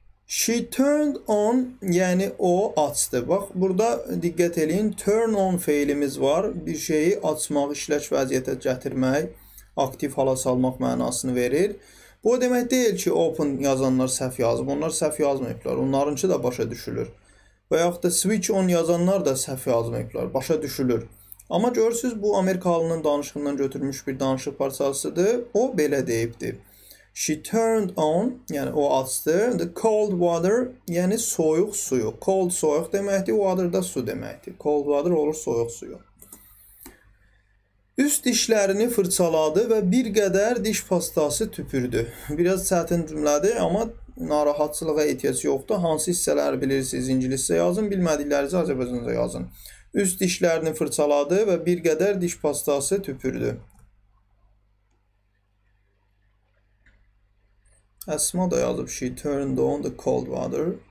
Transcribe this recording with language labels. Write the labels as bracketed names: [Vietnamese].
[English] She turned on, [Azerbaijani] yəni o açdı. Bax, burada diqqət edin, turn on feilimiz var. Bir şeyi açmaq, işlək vəziyyətə gətirmək, aktiv hala salmaq mənasını verir. Bu o demək deyil ki, open yazanlar səhv yazıb. Onlar səhv yazmayıblar. Onlarınki da başa düşülür. Və yaxud da switch on yazanlar da səhv yazmayıblar. Başa düşülür. Amma görürsünüz, bu Amerikalının danışığından götürmüş bir danışıq parçasıdır. O belə deyibdir. [English] She turned on, [Azerbaijani] yəni o açdı. [English] The cold water, [Azerbaijani] yəni soyuq suyu. Cold soyuq deməkdir, water da su deməkdir. Cold water olur soyuq suyu. Üst dişlərini fırçaladı və bir qədər diş pastası tüpürdü. Biraz çətin cümlədir, amma narahatçılığa ehtiyac yoxdur. Hansı hissələri bilirsiniz, ingiliscə yazın, bilmədiklərinizi Azərbaycanca yazın. Üst dişlərini fırçaladı və bir qədər diş pastası tüpürdü. Əsma da yazıb, [English] she turned on the cold water.